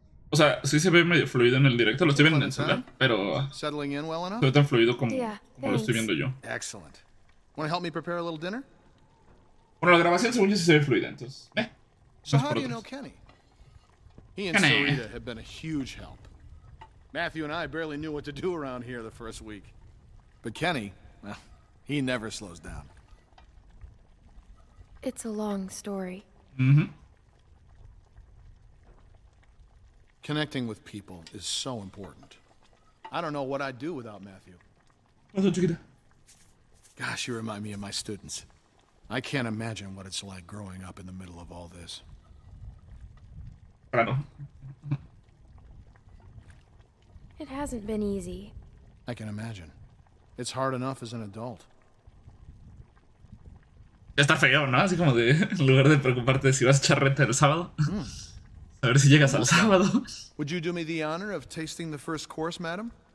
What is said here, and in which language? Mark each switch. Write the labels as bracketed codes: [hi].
[es] O sea, sí se ve medio fluido en el directo, lo estoy viendo en el celular, pero [en] settling in well enough? [es] Se ve tan fluido como lo estoy viendo yo. [en] Excellent. Wanna help me prepare a little dinner? [es] Bueno, la grabación según yo sí se ve fluida, entonces. [en] So how do you know Kenny? He and Sarita have been a huge help. Matthew and I barely knew what to do around here the first week. But Kenny, well, he never slows down. It's a long story. Mm-hmm. Connecting with people is so important. I don't know what I'd do without Matthew. Gosh, you remind me of my students. I can't imagine what it's like growing up in the middle of all this. It hasn't been easy. I can imagine. It's hard enough as an adult. [es] Ya está feo, ¿no? Así como de, en lugar de preocuparte si vas a echar renta el sábado. A ver si llegas al sábado. [en] Would you do me the honor of tasting the first course, madam?